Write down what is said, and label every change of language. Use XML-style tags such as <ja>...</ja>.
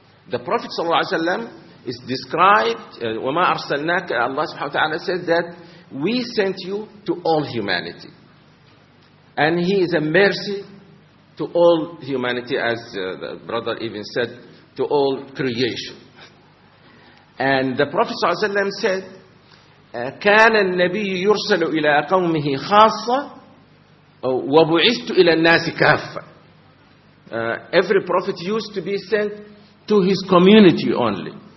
<en>The Prophet sallallahu alaihi wasallam is described,</en> <ar>وَمَا أَرْسَلْنَاكَ,</ar> <en>Allah subhanahu wa ta'ala said that we sent you to all humanity. And he is a mercy to all humanity, as the brother even said, to all creation. And the Prophet sallallahu alaihi wasallam said,</en> <ar>كَانَ النَّبِيُّ يُرْسَلُ إِلَىٰ قَوْمِهِ خَاصَّةً وَبُعِثْتُ إِلَىٰ النَّاسِ كَافَّةً.</ar> <en>Every prophet used to be sent to his community only.</en>